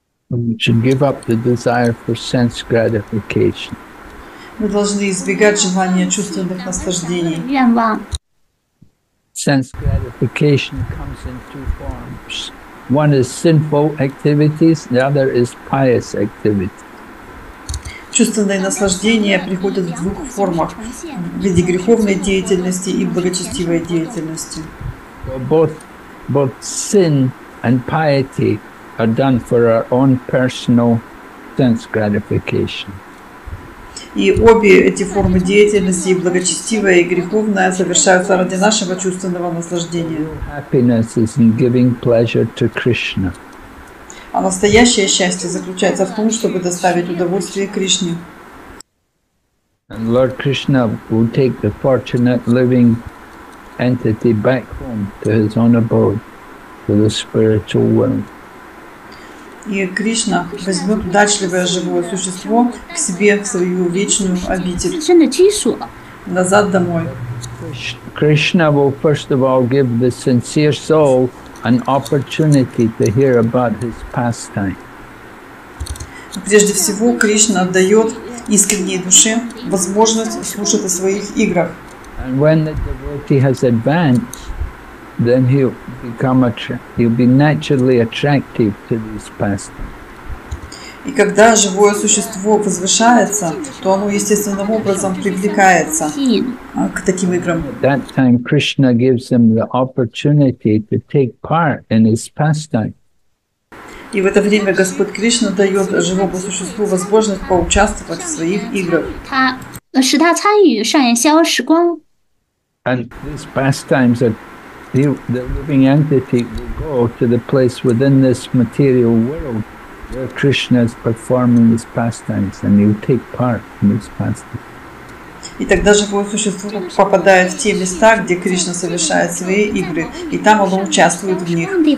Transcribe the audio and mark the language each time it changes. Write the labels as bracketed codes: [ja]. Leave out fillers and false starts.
[en] We should give up the desire for sense gratification. [ru] Мы должны избегать желания чувственных наслаждений. [en] Sense gratification comes in two forms. One is sinful activities, the other is pious activity. [ru] Чувственные наслаждения приходят в двух формах: в виде греховной деятельности и благочестивой деятельности. [en] Both sin and piety are done for our own personal sense gratification. [ru] И обе эти формы деятельности, и благочестивая, и греховная, совершаются ради нашего чувственного наслаждения. [en] Happiness is in giving pleasure to Krishna. [ru] А настоящее счастье заключается в том, чтобы доставить удовольствие Кришне. [en] And Lord Krishna will take the fortunate living entity back home to his own abode, to the spiritual world. [ru] И Кришна возьмет удачливое живое существо к себе, в свою вечную обитель, назад домой. [en] Krishna will first of all give the sincere soul an opportunity to hear about his pastime. [ru] Прежде всего, Кришна дает искренней душе возможность слушать о своих играх. [en] And when the devotee has advanced, then he'll be naturally attractive to these pastimes. [ru] И когда живое существо возвышается, то оно естественным образом привлекается к таким играм. [en] At that time, Krishna gives him the opportunity to take part in his pastime. [ru] И в это время Господь Кришна дает живому существу возможность поучаствовать в своих играх. [en] And these pastimes are the living entity will go to the place within this material world where Krishna is performing his pastimes, and he'll take part in his pastimes. [ru] И тогда живое существо попадает в те места, где Кришна совершает свои игры, и там оно участвует в них.